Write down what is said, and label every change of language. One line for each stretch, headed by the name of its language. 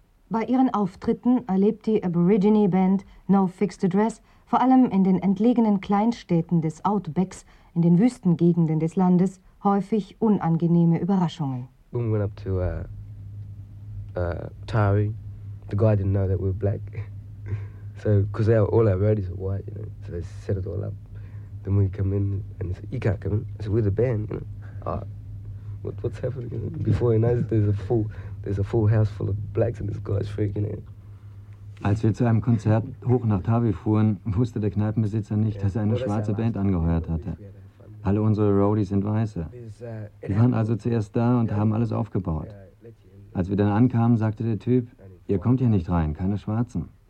German: Bei ihren Auftritten erlebt die Aborigine-Band No Fixed Address vor allem in den entlegenen Kleinstädten des Outbacks, in den Wüstengegenden des Landes, häufig unangenehme Überraschungen.
English: We went up to Tari. The guy didn't know that we were black. So, because all our roadies are white, you know, so they set it all up. Then we come in and he said, you can't come in. I said, we're the band, you know. Oh, what's happening? You know? Before he knows, there's a full house full of blacks and this guy's freaking out.
German: Als wir zu einem Konzert hoch nach Tavi fuhren, wusste der Kneipenbesitzer nicht, dass er eine schwarze Band angeheuert hatte. Alle unsere Roadies sind Weiße. Wir waren also zuerst da und haben alles aufgebaut. Als wir dann ankamen, sagte der Typ, ihr kommt hier nicht rein, keine Schwarzen.